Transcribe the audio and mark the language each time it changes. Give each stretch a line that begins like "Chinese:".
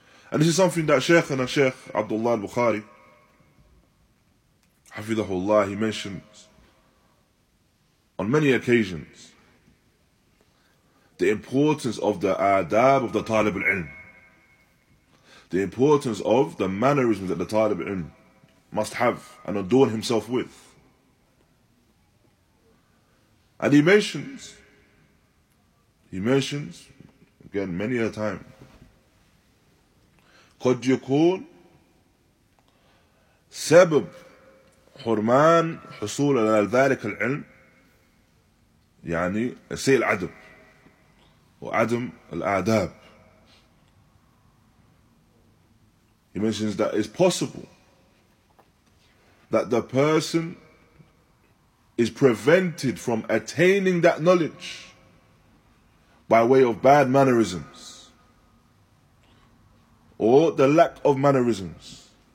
English: And this is something that Sheikh Abdullah al-Bukhari, hafidhahullah, he mentioned on many occasions, the importance of the adab of the Talib al-Ilm. The importance of the mannerisms that the Talib al-Ilm must have and adorn himself with.
Arabic: And he mentions, again many a time, قد يكون سبب حرمان حصول على ذلك العلم يعني سيء العدب وعدم الآداب.
English: He mentions that it's possible that the person is prevented from attaining that knowledge by way of bad mannerisms or the lack of mannerisms.